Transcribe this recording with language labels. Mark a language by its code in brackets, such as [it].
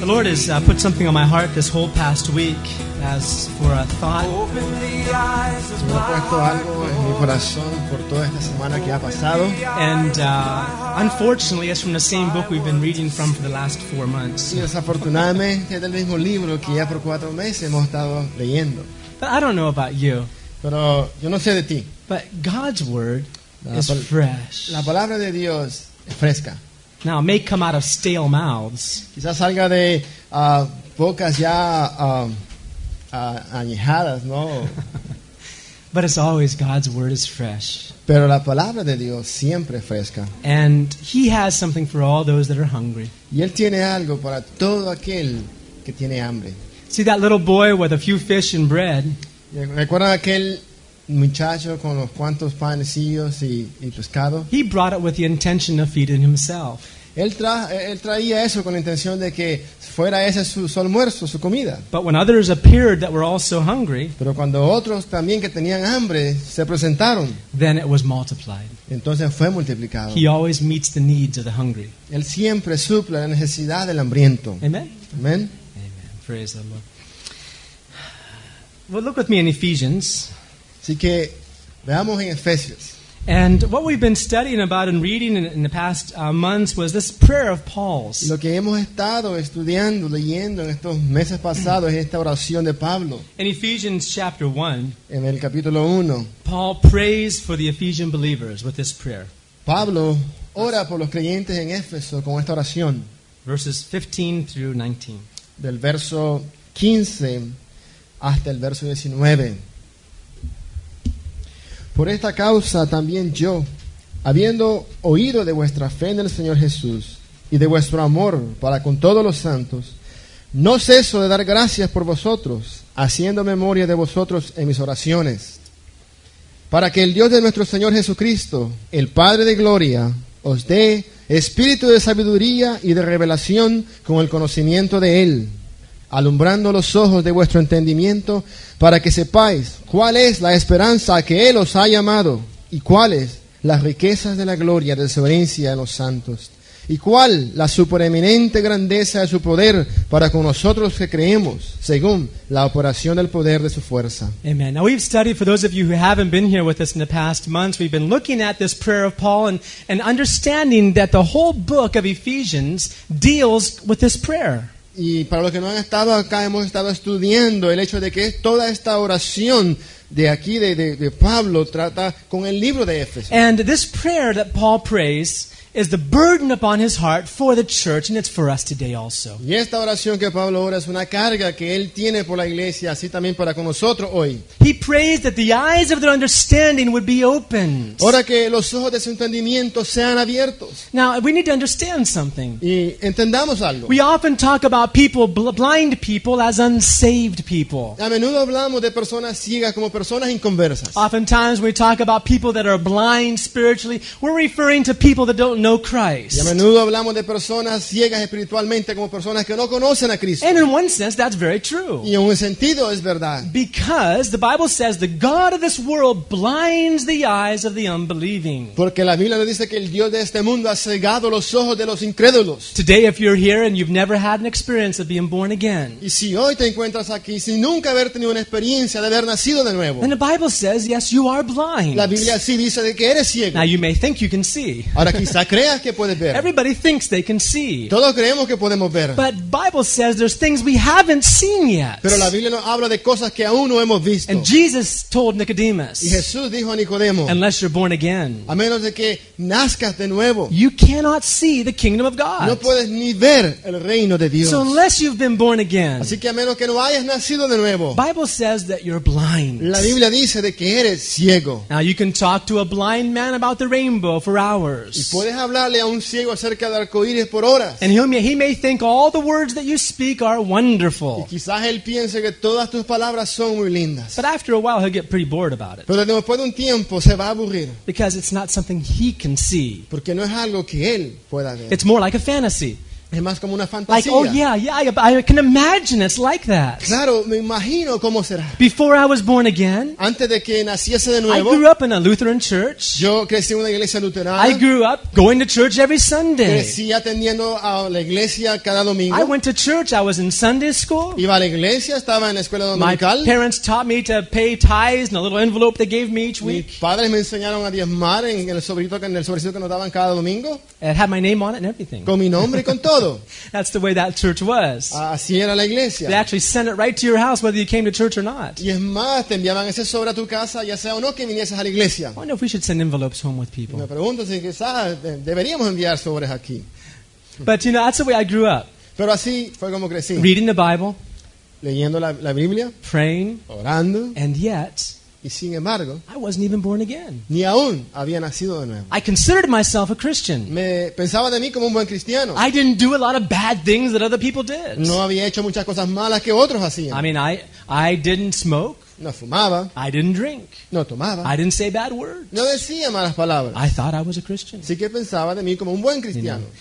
[en] The Lord has put something on my heart this whole past week as for a thought. Open the eyes of my heart, Lord. [es] Mi corazón por toda esta semana que ha pasado. [en] And unfortunately, it's from the same book we've been reading from for the last 4 months. [es] Y desafortunadamente es del mismo libro que ya por 4 meses hemos estado leyendo. [en] But I don't know about you. [es] Pero yo no sé de ti. [en] But God's word is fresh. [es] La palabra de Dios es fresca. [en] Now, it may come out of stale mouths. [es] Quizás salga de bocas ya añejadas, ¿no? [en] But it's always God's word is fresh. [es] Pero la palabra de Dios siempre es fresca. [en] And He has something for all those that are hungry. [es] Y Él tiene algo para todo aquel que tiene hambre. [en] See that little boy with a few fish and bread? [es] ¿Recuerda aquel muchacho con los cuantos panecillos y pescado? [en] He brought it with the intention of feeding himself. [es] Él traía eso con la intención de que fuera ese su almuerzo, su comida. [en] But when others appeared that were also hungry, [es] pero cuando otros también que tenían hambre se presentaron, [en] then it was multiplied. [es] Entonces fue multiplicado. [en] He always meets the needs of the hungry. [es] Él siempre suple la necesidad del hambriento. [en] Amen. [es] Amen. [en] Amen. Praise the Lord. Well, look with me in Ephesians. [es] Así que veamos en Efesios. [en] And what we've been studying about and reading in the past months was this prayer of Paul's. [es] Lo que hemos estado estudiando, leyendo en estos meses pasados es esta oración de Pablo. [en] In Ephesians chapter 1, [es] en el capítulo 1, [en] Paul prays for the Ephesian believers with this prayer. [es] Pablo ora por los creyentes en Éfeso con esta oración. [en] Verses 15 through 19. [es] Del verso 15 hasta el verso 19. Por esta causa también yo, habiendo oído de vuestra fe en el Señor Jesús y de vuestro amor para con todos los santos, no ceso de dar gracias por vosotros, haciendo memoria de vosotros en mis oraciones, para que el Dios de nuestro Señor Jesucristo, el Padre de gloria, os dé espíritu de sabiduría y de revelación con el conocimiento de Él, alumbrando los ojos de vuestro entendimiento, para que sepáis cuál es la esperanza a que Él os ha llamado, y cuáles las riquezas de la gloria de su herencia en los santos, y cuál la supereminente grandeza de su poder para con nosotros que creemos, según la operación del poder de su fuerza. Amen. [en] Now we've studied, for those of you who haven't been here with us in the past months, we've been looking at this prayer of Paul and understanding that the whole book of Ephesians deals with this prayer. [es] Y para los que no han estado acá, hemos estado estudiando el hecho de que toda esta oración de aquí, de Pablo, trata con el libro de Éfeso. [en] And this prayer that Paul prays is the burden upon his heart for the church, and it's for us today also. [es] Y esta oración que Pablo ora es una carga que él tiene por la iglesia, así también para con nosotros hoy. [en] He prays that the eyes of their understanding would be opened. [es] Ora que los ojos de su entendimiento sean abiertos. [en] Now, we need to understand something. [es] Y entendamos algo. [en] We often talk about people, blind people, as unsaved people. [es] A menudo hablamos de personas ciegas como personas inconversas. [en] Oftentimes, we talk about people that are blind spiritually. We're referring to people that don't know Christ. [es] Y a menudo hablamos de personas ciegas espiritualmente como personas que no conocen a Cristo. [en] And in one sense, that's very true. [es] Y en un sentido es verdad. [en] Because the Bible says the God of this world blinds the eyes of the unbelieving. [es] Porque la Biblia nos dice que el Dios de este mundo ha cegado los ojos de los incrédulos. [en] Today, if you're here and you've never had an experience of being born again, [es] y si hoy te encuentras aquí sin nunca haber tenido una experiencia de haber nacido de nuevo, [en] then the Bible says, yes, you are blind. [es] La Biblia sí dice de que eres ciego. [en] Now you may think you can see. [es] Ahora quizás creas que puedes ver. [en] Everybody thinks they can see. [es] Todos creemos que podemos ver. [en] But Bible says there's things we haven't seen yet. [es] Pero la Biblia nos habla de cosas que aún no hemos visto. [en] And Jesus told Nicodemus. [es] Y Jesús dijo a Nicodemo. [en] Unless you're born again. [es] A menos de que nazcas de nuevo. [en] You cannot see the kingdom of God. [es] No puedes ni ver el reino de Dios. [en] So unless you've been born again. [es] Así que a menos que no hayas nacido de nuevo. [en] Bible says that you're blind. [es] La Biblia dice de que eres ciego. [en] Now you can talk to a blind man about the rainbow for hours. [es] Puedes hablarle a un ciego acerca del arcoíris por horas. [en] And he may think all the words that you speak are wonderful. [es] Y quizás él piense que todas tus palabras son muy lindas. [en] But after a while he'll get pretty bored about it. [es] Pero después de un tiempo se va a aburrir. [en] Because it's not something he can see. [es] Porque no es algo que él pueda ver. [en] It's more like a fantasy. [es] Es más como una fantasía. [en] Like, oh yeah, yeah, I can imagine it's like that. [es] Claro, me imagino cómo será. [en] Before I was born again, [es] antes de que naciese de nuevo, [en] I grew up in a Lutheran church. [es] Yo crecí en una iglesia luterana. [en] I grew up going to church every Sunday. [es] Crecí atendiendo a la iglesia cada domingo. [en] I went to church. I was in Sunday school. [es] Iba a la iglesia, estaba en la escuela dominical. [en] My parents taught me to pay tithes in a little envelope they gave me each week. [es] Mis padres me enseñaron a diezmar en el sobrito que nos daban cada domingo. [en] It had my name on it and everything. [es] Con mi nombre y con todo. [en] That's the way that church was. [es] Así era la iglesia. [en] They actually sent it right to your house whether you came to church or not. [es] Y es más, te enviaban ese sobre a tu casa, ya sea o no que vinieses a la iglesia. [en] I wonder if we should send envelopes home with people. [es] Me pregunto si quizás deberíamos enviar sobres aquí. [en] But you know, that's the way I grew up. [es] Pero así fue como crecí. [en] Reading the Bible. [es] Leyendo la Biblia. [en] Praying. [es] Orando. [en] And yet, [es] y sin embargo, [en] I wasn't even born again. [es] Ni aún había nacido de nuevo. [en] I considered myself a Christian. [es] Me pensaba de mí como un buen cristiano. [en] I didn't do a lot of bad things that other people did. [es] No había hecho muchas cosas malas que otros hacían. [en] I mean, I didn't smoke. [es] No fumaba. [en] I didn't drink. [es] No tomaba. [en] I didn't say bad words. [es] No decía malas palabras. [en] I thought I was a Christian. [es] Sí que pensaba de mí como un buen cristiano.